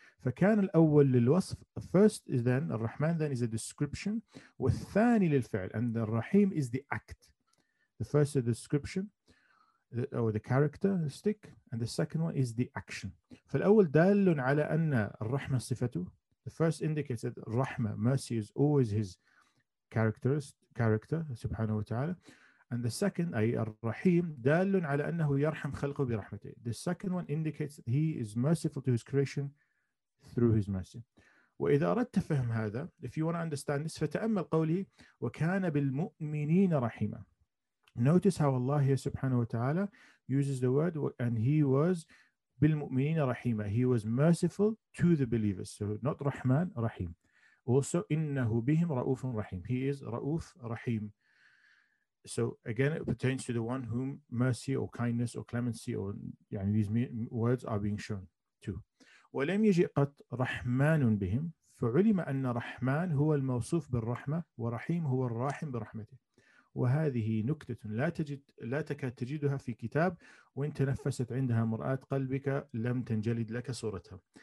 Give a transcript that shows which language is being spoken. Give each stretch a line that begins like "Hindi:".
Arabic: فكان الأول للوصف,
English: first is then, الرحمن then is a description,
Arabic: والثاني للفعل,
English: and the الرحيم is the act. The first is a description, or the characteristic, and the second one is the action.
Arabic: فالأول دال على أن الرحمة صفته,
English: the first indicates that الرحمة, mercy, is always his character,
Arabic: سبحانه وتعالى.
English: And the second,
Arabic: أي الرحيم, دال على أنه يرحم خلقه برحمته.
English: The second one indicates that he is merciful to his creation through his mercy.
Arabic: وإذا أردت فهم هذا,
English: if you want to understand this,
Arabic: فتأمل قوله وكان بالمؤمنين رحيما.
English: Notice how Allah here subhanahu wa ta'ala uses the word, and he was
Arabic: بالمؤمنين رحيما.
English: He was merciful to the believers. So not رحمن, رحيم.
Arabic: Also, إنه بهم رؤوف رحيم.
English: He is
Arabic: رؤوف رحيم.
English: So again, it pertains to the one whom mercy or kindness or clemency or يعني these words are being shown to.
Arabic: وَلَمْ يَجِئْ قَطْ رَحْمَانٌ بِهِمْ فَعُلِمَ أَنَّ رَحْمَانٌ هُوَ الْمَوْصُوفُ بِالرَّحْمَةِ وَرَحِيمٌ هُوَ الرَّاحِمُ بِرَحْمَتِهِ وَهَذِهِ نُكْتَةٌ لَا تَكَادْ تَجِدُهَا فِي كِتَابٍ وَإِنْ تَنَفَّسَتْ عِنْدَهَا مُرَآةُ قَلْبِكَ لَمْ تَنْجَلِدْ لَكَ صُورَتَهَا.